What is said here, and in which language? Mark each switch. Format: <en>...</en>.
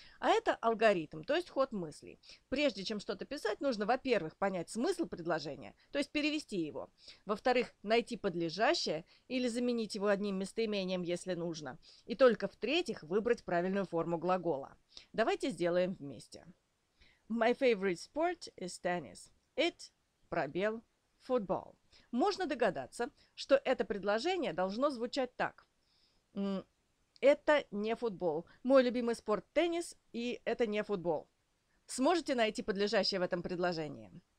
<ru>А это алгоритм, то есть ход мыслей. Прежде чем что-то писать, нужно, во-первых, понять смысл предложения, то есть перевести его. Во-вторых, найти подлежащее или заменить его одним местоимением, если нужно. И только в-третьих, выбрать правильную форму глагола. Давайте сделаем вместе.</ru> <en>My favorite sport is tennis. It,</en> <ru>пробел,</ru> <en>football.</en> <ru>Можно догадаться, что это предложение должно звучать так. Это не футбол. Мой любимый спорт – теннис, и это не футбол. Сможете найти подлежащее в этом предложении?</ru>